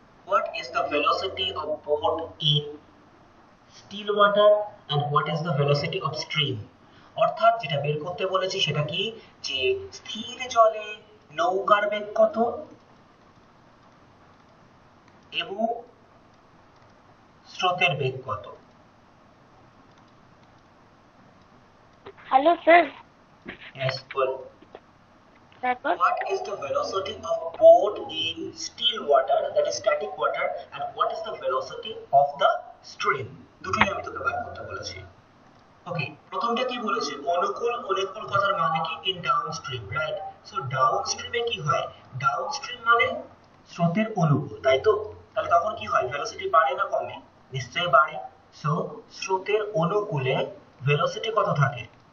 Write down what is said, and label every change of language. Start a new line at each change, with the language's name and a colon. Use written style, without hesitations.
English: What is the velocity of boat in still water and what is the velocity of stream?
Bangla: অর্থাৎ যেটা বের করতে বলেছি সেটা কি, যে স্থির জলে নৌকার বেগ কত এবং স্রোতের বেগ কত। Hello sir.
English: Yes, well.
Bangla: তারপর
English: what is the velocity of boat in still water, that is static water, and what is the velocity of the stream?
Bangla: দুটোই আমি তোকে বার করতে বলেছি। ওকে, প্রথমটা কি বলেছে, অনুকূল অনুকূল কথার মানে কি,
English: in downstream,
Bangla: রাইট? সো ডাউনস্ট্রিমে কি হয়, ডাউনস্ট্রিম মানে স্রোতের অনুকূল, তাই তো? তাহলে তখন কি হয়, ভেলোসিটি বাড়ে না কমে? নিশ্চয়ই বাড়ে। সো স্রোতের অনুকূলে ভেলোসিটি কত থাকে?